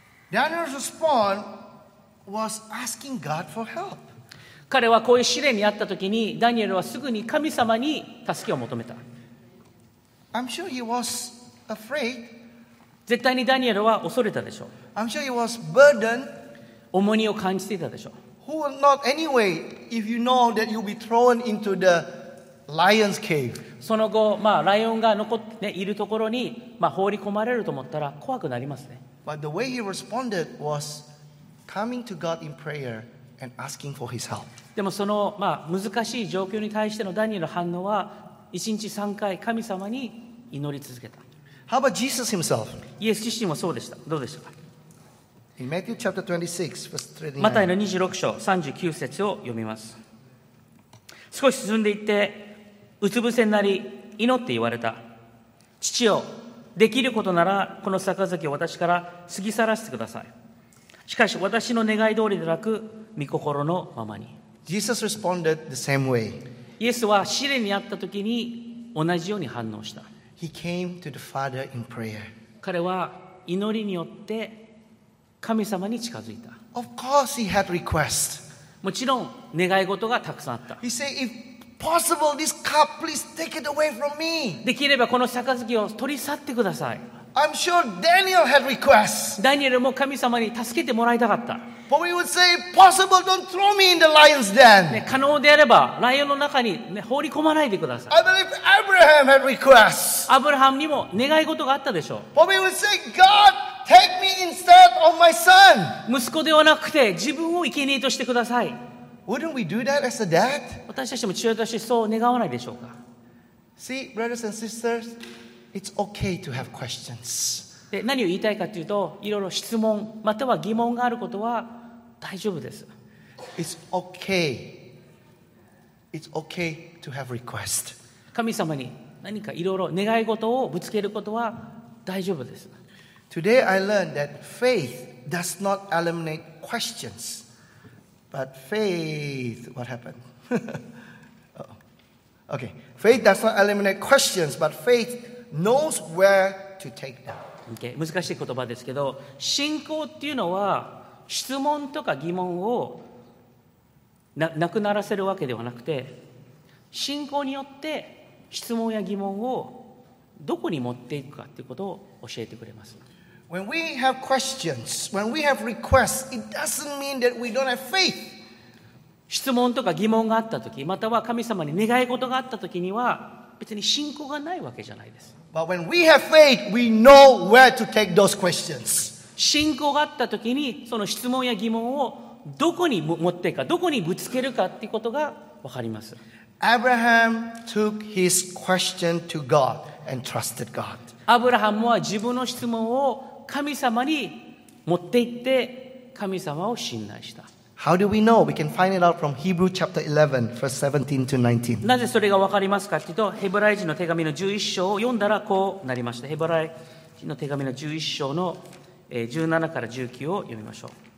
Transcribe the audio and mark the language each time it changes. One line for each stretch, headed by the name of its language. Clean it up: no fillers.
English: Daniel's response was asking God for help.
Japanese: 彼はこういう試練にあったときに、ダニエルはすぐに神様に助けを求めた。
English: I'm sure he was afraid.
Japanese: 絶対にダニエルは恐れたでしょう。
English: I'm sure he was burdened.
Japanese: 重荷を感じていたでしょう。
English: Who will not anyway if you know that you'll be thrown into the lion's cave?
Japanese: その後、まあ、ライオンが残って、ね、いるところに、まあ、放り込まれると思ったら怖くなりますね。
English: But the way he responded was coming to God in prayer and asking for his help.
Japanese: でもその、まあ、難しい状況に対してのダニエルの反応は一日三回神様に祈り続けた。
English: How about Jesus himself?
Japanese: イエス自身もそうでした。どうでしたか？
English: In Matthew chapter 26, verse 39.
Japanese: マタイの26章39節を読みます。少し進んでいって、うつ伏せになり祈って言われた。父よ、できることならこの杯を私から過ぎ去らせてください。しかし私の願い通りでなく御心のままに。
English: Jesus responded the same way.
Japanese: イエスは試練にあった時に同じように反応した。
English: He came to the Father in prayer.
Japanese: 彼は祈りによって神様に近づいた。
English: Of course he had request.
Japanese: もちろん願い事がたくさんあった。
English: He said ifPossible, this cup, please take it away from me.
Japanese: できればこの杯を取り去ってください。
English: I'm sure Daniel had requests.
Japanese: ダニエルも神様に助けてもらいたかった。
English: But we would say, possible, don't throw me in the lion's den.
Japanese: 可能であればライオンの中に、ね、放り込まないでください。
English: I believe Abraham had requests.
Japanese: アブラハムにも願い事があったでしょう。
English: But we would say, God, take me instead of my son.
Japanese: 息子ではなくて自分を生贄としてください。
English: Wouldn't we do that as a dad?
Japanese: 私たちも父親としてそう願わないでしょうか。
English: See, brothers and sisters, it's okay to have questions.
Japanese: で、何を言いたいかというと、いろいろ質問または疑問があることは大丈夫です。
English: It's okay. It's okay to have request.
Japanese: 神様に何かいろいろ願い事をぶつけることは大丈夫です。
English: Today I learned that faith does not eliminate questions. But faith, what happened? okay, faith does not eliminate questions, but faith knows where to take them.
Japanese: Okay, 難しい言葉ですけど、信仰っていうのは質問とか疑問を なくならせるわけではなくて、信仰によって質問や疑問をどこに持っていくかということを教えてくれます。
English: When we have questions, when we have requests, it doesn't mean that we don't have faith.
Japanese: 質問とか疑問があったとき、または神様に願い事があったときには、別に信仰がないわけじゃないです。
English: But when we have faith, we know where to take those questions.
Japanese: 信仰があったときに、その質問や疑問をどこに持っていくか、どこにぶつけるかっていうことがわかります。
English: Abraham took his question to God and trusted God.
Japanese: アブラハムは自分の質問を神様に持って行って神様を信頼した。
English: How do we know? We can find it out from Hebrew chapter 11, verse 17 to 19.
Japanese: なぜそれがわかりますかというと、ヘブライ人の手紙の11章を読んだらこうなりました。ヘブライ人の手紙の11章の17から19を読みましょう。